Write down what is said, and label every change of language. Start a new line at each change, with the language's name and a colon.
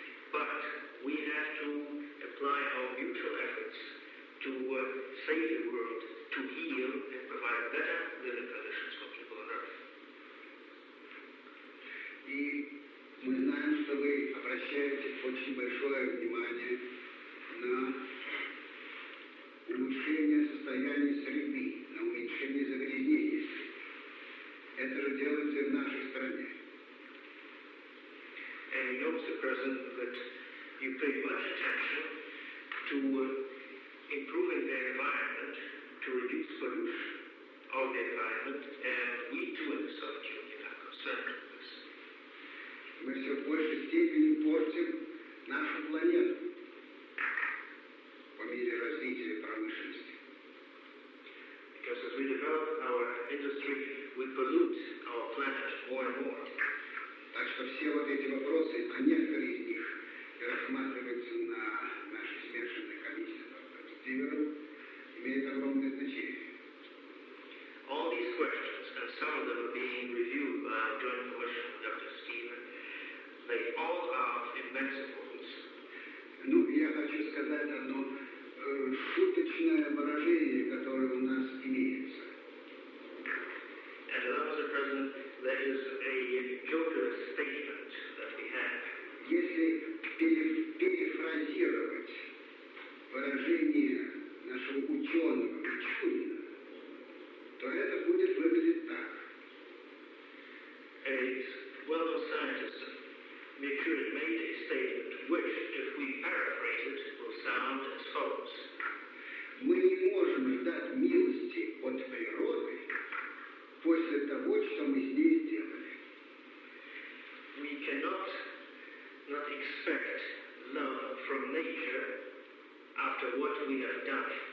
English: But we have to apply our mutual efforts to save the world, to heal and provide better living conditions for people on Earth.
Russian: И мы знаем, что вы обращаете очень большое внимание на улучшение состояния среды, на уменьшение загрязнений. Это же делается в нашей стране.
English: And you know, Mr. President, that you pay much attention to improving the environment, to reduce pollution of the environment, and we too in the Soviet Union are concerned with this.
Russian: Мы все в большей степени портим нашу планету по мере развития промышленности.
English: Because as we develop our industry, we pollute our planet more and more.
Russian: Так что все вот эти вопросы, а некоторые из них рассматриваются на нашей смешанной комиссии по перспективам, имеют огромное значение.
English: All these questions, and some of them are being reviewed by a joint commission with Dr. Stephen, they all are of immense importance.
Russian: Ну, я хочу сказать одно шуточное выражение, которое у нас имеется.
English: And that, Mr. President, that is a jocular statement that we have.
Russian: если перефразировать выражение нашего ученого Кочунина, то это будет выглядеть так.
English: A well-known scientist, Mercure, made a statement which, if we paraphrase it, will sound as follows.
Russian: Мы не можем ждать милости от природы после того, что мы здесь сделали.
English: We cannot not expect love from nature after what we have done.